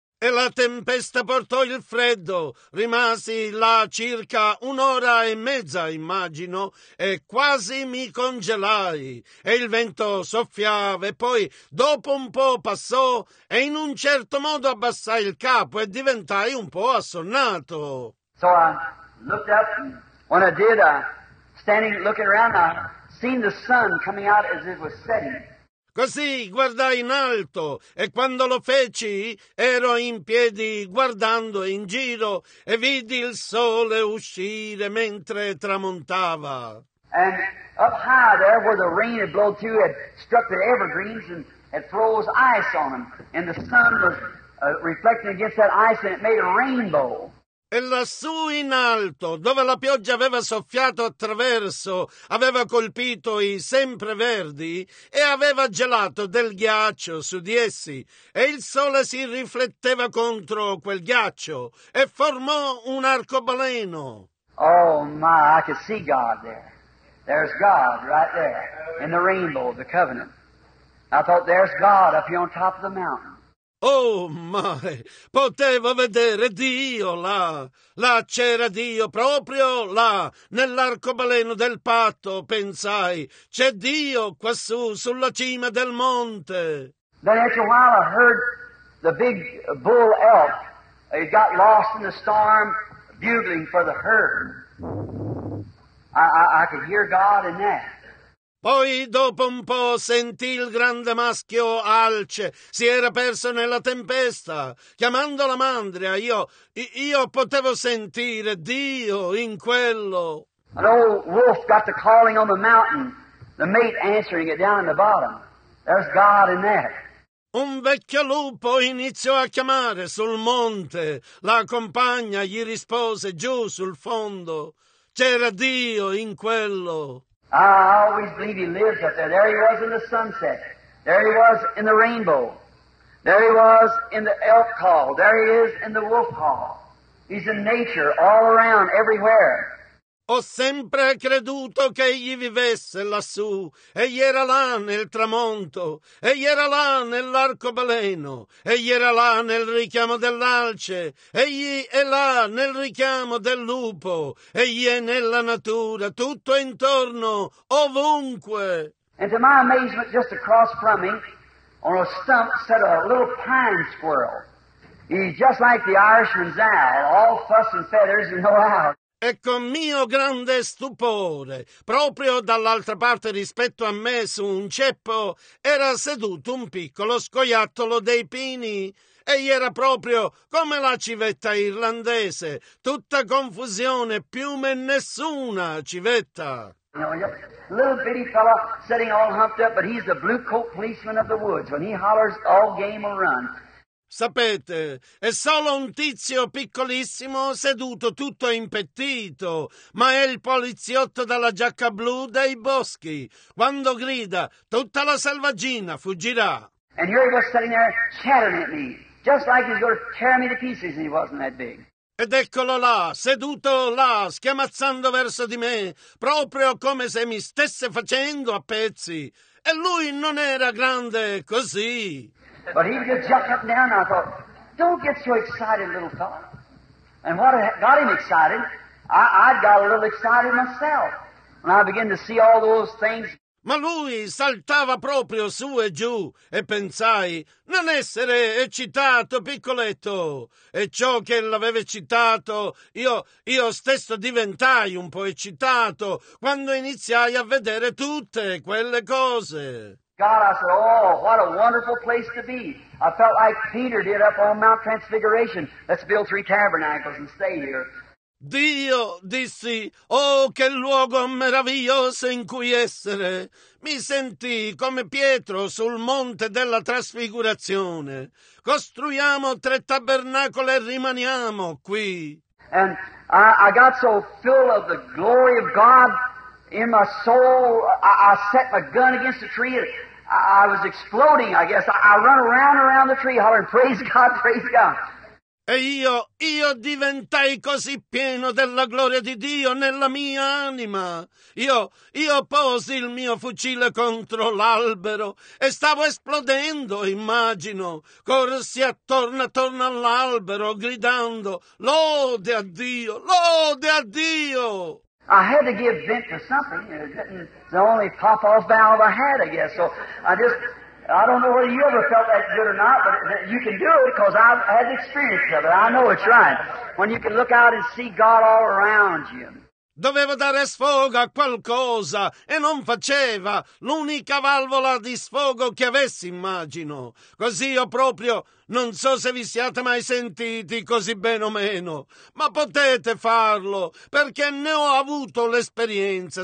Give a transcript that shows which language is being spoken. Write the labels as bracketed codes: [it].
[it] E la tempesta portò il freddo. Rimasi là circa un'ora e mezza, immagino, e quasi mi congelai. E il vento soffiava, e poi dopo un po' passò, e in un certo modo abbassai il capo e diventai un po' assonnato. [en] So I looked up, and when I did, standing, looking around, I seen the sun coming out as it was setting. [it] Così guardai in alto, e quando lo feci, ero in piedi guardando in giro, e vidi il sole uscire mentre tramontava. [en] And up high there, where the rain had blown through, had struck the evergreens, and had froze ice on them. And the sun was reflecting against that ice, and it made a rainbow. [it] E lassù in alto, dove la pioggia aveva soffiato attraverso, aveva colpito i sempreverdi e aveva gelato del ghiaccio su di essi. E il sole si rifletteva contro quel ghiaccio e formò un arcobaleno. [en] Oh my, I could see God there. There's God right there in the rainbow of the covenant. I thought there's God up here on top of the mountain. [it] Oh, ma potevo vedere Dio là. Là c'era Dio, proprio là, nell'arcobaleno del patto, pensai. C'è Dio quassù, sulla cima del monte. [en] Then after a while I heard the big bull elk. He got lost in the storm, bugling for the herd. I could hear God in that. [it] Poi dopo un po' sentì il grande maschio Alce, si era perso nella tempesta, chiamando la mandria. Io potevo sentire Dio in quello. [en] An old wolf got the calling on the mountain, the mate answering it down in the bottom. There's God in that. [it] Un vecchio lupo iniziò a chiamare sul monte, la compagna gli rispose giù sul fondo. C'era Dio in quello. [en] I always believe he lives up there. There he was in the sunset. There he was in the rainbow. There he was in the elk call. There he is in the wolf call. He's in nature all around, everywhere. [it] Ho sempre creduto che egli vivesse lassù. Egli era là nel tramonto. Egli era là nell'arcobaleno. Egli era là nel richiamo dell'alce. Egli è là nel richiamo del lupo. Egli è nella natura, tutto intorno, ovunque. [en] And to my amazement, just across from me, on a stump, sat a little pine squirrel. He's just like the Irishman's owl, all fuss and feathers and no out. [it] E con mio grande stupore, proprio dall'altra parte rispetto a me, su un ceppo, era seduto un piccolo scoiattolo dei pini. Egli era proprio come la civetta irlandese, tutta confusione, piume nessuna civetta. [en] Little bitty fella sitting all humped up, but he's the blue coat policeman of the woods. When he hollers, all game will run. [it] Sapete, è solo un tizio piccolissimo seduto tutto impettito, ma è il poliziotto dalla giacca blu dei boschi. Quando grida, tutta la selvaggina fuggirà. [en] And here he was sitting there chattering at me, just like he's going to tear me to pieces if he wasn't that big. [it] Ed eccolo là, seduto là, schiamazzando verso di me, proprio come se mi stesse facendo a pezzi. E lui non era grande così. [en] But he would jump up and down, and I thought, don't get so excited, little fella. And what got him excited, I got a little excited myself. And I began to see all those things. [it] Ma lui saltava proprio su e giù, e pensai, non essere eccitato, piccoletto. E ciò che l'aveva eccitato, io stesso diventai un po' eccitato quando iniziai a vedere tutte quelle cose. [en] God, I said, oh, what a wonderful place to be. I felt like Peter did up on Mount Transfiguration. Let's build three tabernacles and stay here. [it] Dio, dissi, oh, che luogo meraviglioso in cui essere. Mi sentì come Pietro sul monte della Trasfigurazione. Costruiamo tre tabernacoli e rimaniamo qui. [en] And I got so full of the glory of God in my soul, I set my gun against a tree. I was exploding, I guess. I run around the tree hollering, praise God, praise God. [it] E io diventai così pieno della gloria di Dio nella mia anima. Io posi il mio fucile contro l'albero e stavo esplodendo, immagino. Corsi attorno all'albero gridando, lode a Dio, lode a Dio. [en] I had to give vent to something. It's the only pop-off valve I had, I guess. So I don't know whether you ever felt that good or not, but you can do it because I've had the experience of it. I know it's right. When you can look out and see God all around you. [it] Dovevo dare sfogo a qualcosa e non faceva l'unica valvola di sfogo che avessi, immagino. Così io proprio, non so se vi siate mai sentiti così bene o meno, ma potete farlo perché ne ho avuto l'esperienza.